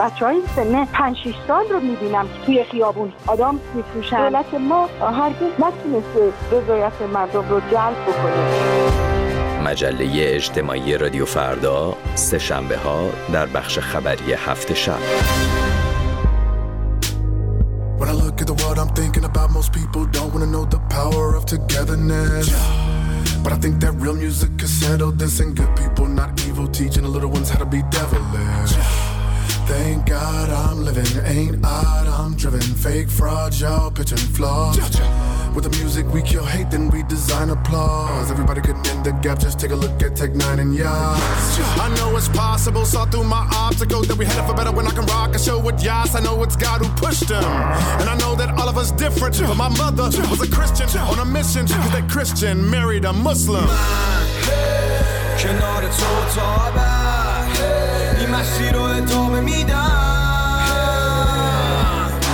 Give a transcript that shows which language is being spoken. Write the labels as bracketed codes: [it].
[fa] بچه های سنه 5-6 سال رو میبینم توی خیابون آدم میفروشن. دولت ما هرگز نتونسته رضایت مردم رو جلب بکنه. مجله اجتماعی رادیو فردا سه شنبه ها در بخش خبری هفته شب. [en] When I look at the world I'm thinking about most people don't wanna know the power of togetherness. But I think that real music can settle this and good people not evil teaching the little ones how to be devilish. Thank God I'm living, ain't odd, I'm driven. Fake fraud, y'all pitching flaws. With the music we kill hate, then we design applause. Everybody could mend the gap, just take a look at Tech 9 and y'all. I know it's possible, saw through my obstacles that we headed for better when I can rock a show with y'all. I know it's God who pushed them. And I know that all of us different, but my mother was a Christian on a mission. Cause that Christian married a Muslim. My head, [fa] کنار تو تا بعد این مسیر رو ادامه میدم.